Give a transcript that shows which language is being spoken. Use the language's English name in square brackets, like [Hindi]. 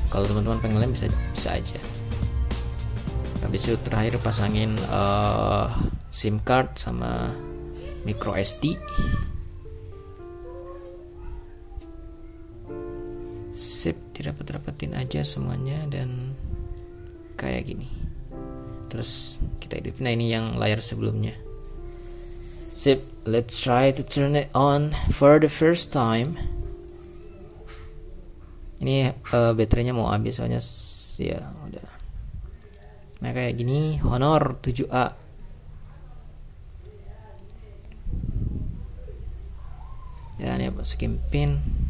[Indonesian] Kalau teman-teman pengen lem bisa aja. Habis itu terakhir pasangin SIM card sama micro SD. Sip, dirapet-rapetin aja semuanya dan kayak gini. terus kita hidup. Nah ini yang layar sebelumnya. [English] Sip, let's try to turn it on for the first time. [Indonesian] Ini baterainya mau habis soalnya ya udah. Nah kayak gini, Honor 7A. Ya ini skin pin.